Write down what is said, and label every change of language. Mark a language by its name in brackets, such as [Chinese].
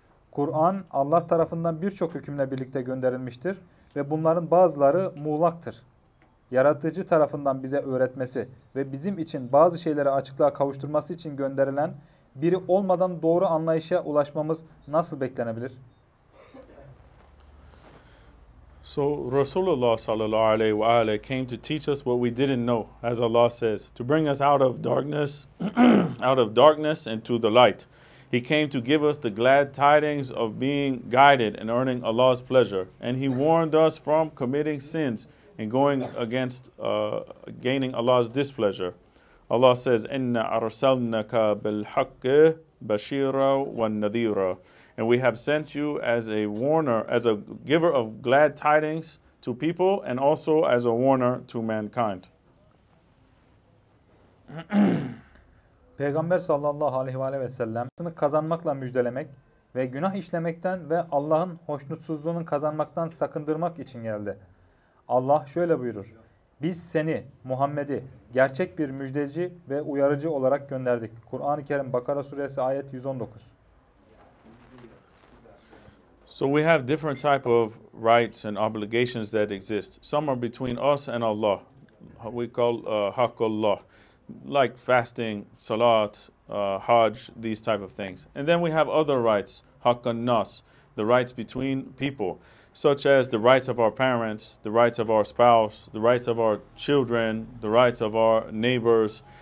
[Turkish] Kur'an Allah tarafından birçok hükümle birlikte gönderilmiştir ve bunların bazıları muğlaktır. yaratıcı tarafından bize öğretmesi ve bizim için bazı şeyleri açıklığa kavuşturması için gönderilen biri olmadan doğru anlayışa ulaşmamız nasıl beklenebilir? [English] So Rasulullah sallallahu aleyhi ve aleyhi came to teach us what we didn't know, as Allah says, to bring us out of darkness, out of darkness into the light. He came to give us the glad tidings of being guided and earning Allah's pleasure. And he warned us from committing sins and going against gaining Allah's displeasure. Allah says, [Arabic] "Inna arsalnaka bilhaqqi bashira wa nadhira." [English] And we have sent you as a warner, as a giver of glad tidings to people, and also as a warner to mankind. [Turkish] Peygamber sallallahu aleyhi ve sellem, sını kazanmakla müjdelemek ve günah işlemekten ve Allah'ın hoşnutsuzluğunu kazanmaktan sakındırmak için geldi. Allah şöyle buyurur: "Biz seni, Muhammed'i, gerçek bir müjdeci ve uyarıcı olarak gönderdik." Kur'an-ı Kerim Bakara Suresi ayet 119. [English] So we have different type of rights and obligations that exist. Some are between us and Allah. We call Haqqullah. Like fasting, salat, hajj, these type of things. And then we have other rights, haqqan nas, the rights between people, such as the rights of our parents, the rights of our spouse, the rights of our children, the rights of our neighbors.